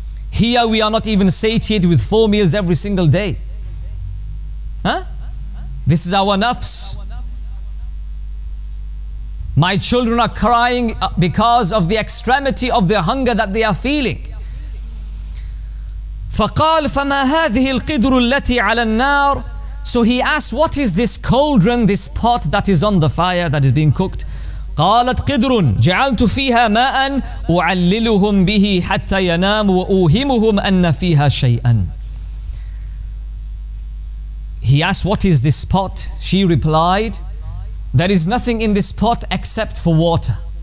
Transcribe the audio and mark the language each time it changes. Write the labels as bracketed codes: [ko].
[en] Here we are not even satiated with four meals every single day. Huh? This is our nafs. My children are crying because of the extremity of their hunger that they are feeling. [ar] فقال فما هذه القدر التي على النار. [en] So he asked, what is this cauldron, this pot that is on the fire, that is being cooked? [ar] قالت قدر جعلت فيها ماء أعللهم به حتى ينام وأوهمهم أن فيها شيئا. [en] He asked, what is this pot? She replied, there is nothing in this pot except for water.